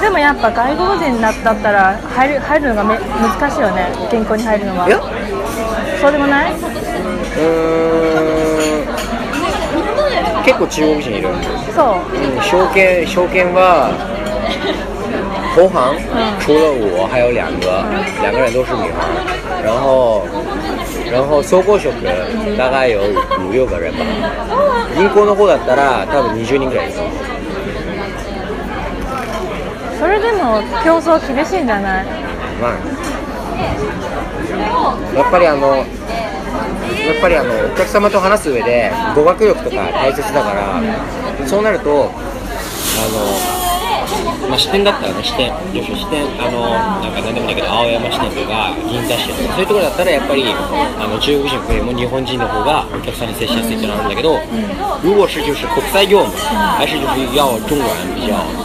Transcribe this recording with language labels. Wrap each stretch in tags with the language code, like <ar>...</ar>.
<ja>でもやっぱ外国人だったら入るのが難しいよね、銀行に入るのは。いや、そうでもない？結構中国人いるんです。 そう。証券は。</ja> <zh>投行除了我还有两个人都是女孩，然后收购職大概有五六个人吧。</zh> <ja>銀行の方だったら多分20人ぐらいです。それでも競争厳しいんじゃない。まあやっぱりあのお客様と話す上で語学力とか大切だから、そうなるとあの、まあ、支店だったらね、支店、よし支店、あの、なんか何でもないけど、青山支店とか、銀座支店とか、そういうところだったら、やっぱり、あの、中国人よりも日本人の方が、お客さんに接しやすいってなるんだけど、</ja> <zh>如果是就是国際業務、还是就是要中国人比较、</zh>